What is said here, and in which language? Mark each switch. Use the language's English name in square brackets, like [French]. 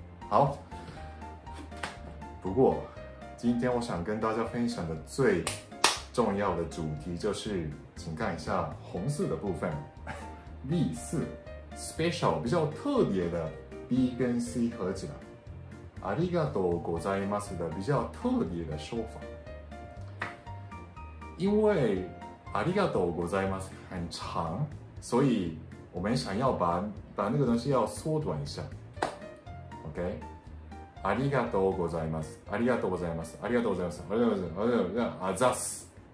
[Chinese] 好。不过今天我想跟大家分享的最重要的主题就是，请看一下红色的部分 B 四 special 比较特别的 B 跟 C 合起来， [Japanese] ありがとうございます [Chinese] 的比较特别的说法。因为 [Japanese] ありがとうございます [Chinese] 很长，所以我们想要把那个东西要缩短一下。 [Japanese] OK，ありがとうございます。ありがとうございます。ありがとうございます。ありがとうございます。ありがとうございます。あざす。